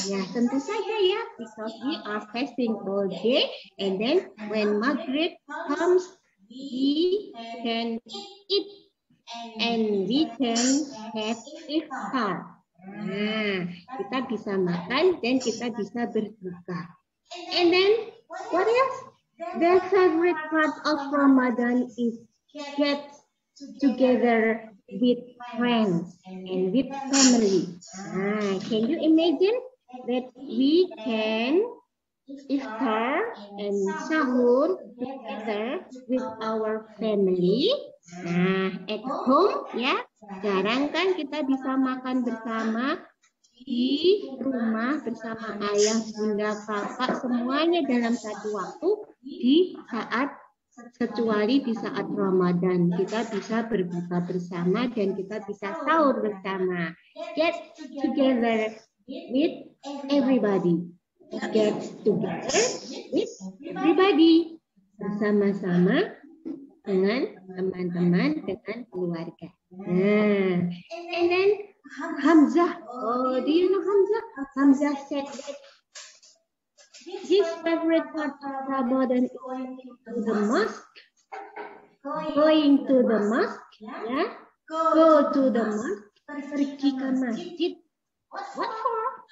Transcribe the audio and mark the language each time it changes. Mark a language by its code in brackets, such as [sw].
[en] Yeah, [id] tentu saja ya, [en] because we are fasting all day, and then when Maghrib comes, we can eat. And we can have iftar. [id] Nah, kita bisa makan dan kita bisa berbuka. [en] And then, what else? The favorite part of Ramadan is get together with friends and with family. [id] Nah, [en] can you imagine that we can iftar and sahur together with our family? Nah, at home ya, [id] jarang kan kita bisa makan bersama di rumah bersama ayah, bunda, kakak, semuanya dalam satu waktu di saat, kecuali di saat Ramadan. Kita bisa berbuka bersama dan kita bisa sahur bersama. [en] Get together with everybody. Get together with everybody. [id] Bersama-sama dengan teman-teman, dengan keluarga. [en] Nah, and then Hamzah. Oh, do you know Hamzah? Hamzah said that his favorite part of Ramadan is going to the mosque. Going to the mosque, yeah? Go to the mosque. [id] Pergi ke masjid. [en] What for?